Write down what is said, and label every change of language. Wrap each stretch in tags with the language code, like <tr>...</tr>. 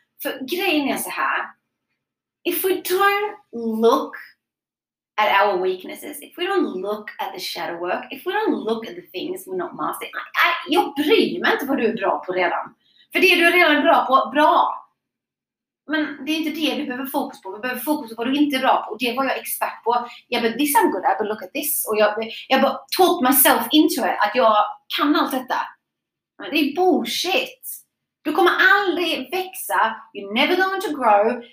<sv>För grejen är så här.</sv> <en>If we don't look at our weaknesses, if we don't look at the shadow work, if we don't look at the things we're not mastering.</en> <sv>Jag bryr mig inte vad du är bra på redan. För det du är redan bra på, bra. Men det är inte det vi behöver fokus på. Vi behöver fokus på vad du inte är bra på. Och det var jag expert på. Jag bara,</sv> <en>this I'm good at, but look at this.</en> <sv>Och jag bara</sv> <en>talk myself into it.</en> <sv>Att jag kan allt detta. Men det är bullshit. Du kommer aldrig växa.</sv> <en>You're never going to grow.</en>